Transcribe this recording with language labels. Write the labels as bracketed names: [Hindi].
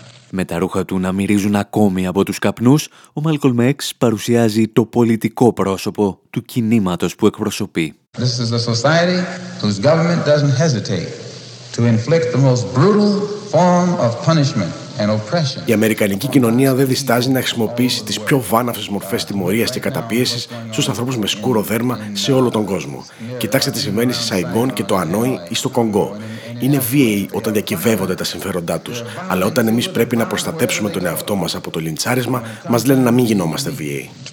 [Greek] Με τα ρούχα του να μυρίζουν ακόμη από τους καπνούς, ο Malcolm X παρουσιάζει το πολιτικό πρόσωπο του κινήματος που εκπροσωπεί. [English] This is a society whose government doesn't hesitate to inflict the most brutal form of punishment. [Greek] Η Αμερικανική κοινωνία δεν διστάζει να χρησιμοποιήσει τις πιο βάναυσες μορφές τιμωρίας και καταπίεσης στους ανθρώπους με σκούρο δέρμα σε όλο τον κόσμο. Κοιτάξτε τι συμβαίνει σε Σαϊγκόν και το Ανόη ή στο Κονγκό. Είναι βίαιοι όταν διακυβεύονται τα συμφέροντά τους, αλλά όταν εμείς πρέπει να προστατέψουμε τον εαυτό μας από το λιντσάρισμα, μας λένε να μην γινόμαστε βίαιοι.